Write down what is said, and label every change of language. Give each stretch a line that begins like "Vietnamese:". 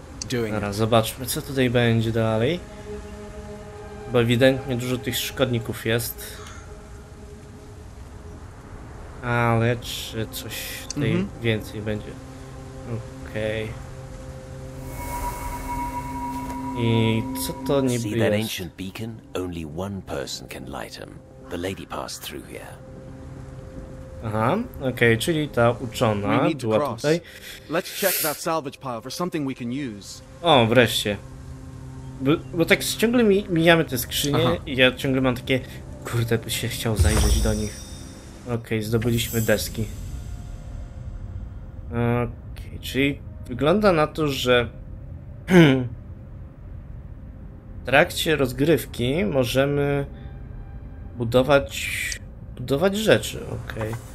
Polish: Dobra, zobaczmy, co tutaj będzie dalej. Bo ewidentnie dużo tych szkodników jest. Ale czy coś tutaj więcej będzie? Okej. Okay. I co to niby jest?
English: See that ancient beacon? Only one person can light him. The lady passed through here.
Polish: Aha, okej, okay, czyli ta uczona była tutaj.
English: Let's check that salvage pile for something we can use.
Polish: O, wreszcie. Bo tak ciągle mijamy te skrzynie. Aha. I ja ciągle mam takie, kurde, by się chciał zajrzeć do nich. Okej, okay, zdobyliśmy deski. Okej, okay, czyli wygląda na to, że w trakcie rozgrywki możemy budować rzeczy, okej. Okay.